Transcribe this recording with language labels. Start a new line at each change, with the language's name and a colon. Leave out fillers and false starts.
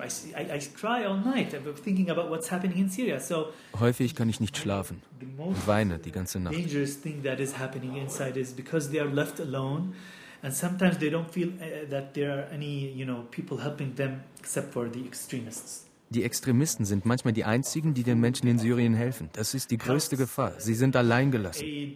English: I cry all night thinking about what's happening in Syria.
German: So häufig kann ich nicht schlafen und weine die ganze Nacht.
English: The dangerous thing that is happening inside is because they are left alone and sometimes they don't feel that there are any, you know, people helping them except for the extremists.
German: Die Extremisten sind manchmal die einzigen, die den Menschen in Syrien helfen. Das ist die größte Gefahr. Sie sind alleingelassen.